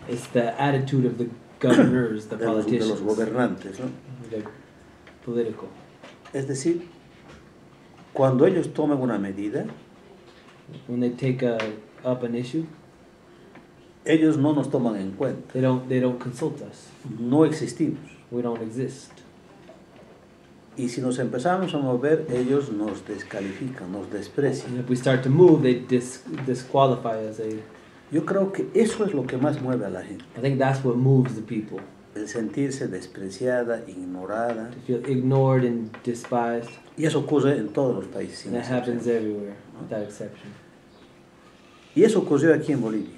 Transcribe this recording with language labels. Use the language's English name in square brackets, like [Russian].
[English] It's the attitude of the governors, the [Spanish] de [English] politicians. [Spanish] De los gobernantes, ¿no? [English] The political. [Spanish] Es decir, cuando ellos toman una medida, [English] when they take up an issue, [Spanish] ellos no nos toman en cuenta. [English] They don't consult us. [Spanish] No existimos. [English] We don't exist. [Spanish] Y si nos empezamos a mover, ellos nos descalifican, nos desprecian. [English] And if we start to move, they disqualify us. [Spanish] Yo creo que eso es lo que más mueve a la gente. [English] I think that's what moves the people. [Spanish] El sentirse despreciada, ignorada. [English] To feel ignored and despised. [Spanish] Y eso ocurre en todos los países. [English] And that happens everywhere, ¿no? Without exception. [Spanish] Y eso ocurrió aquí en Bolivia.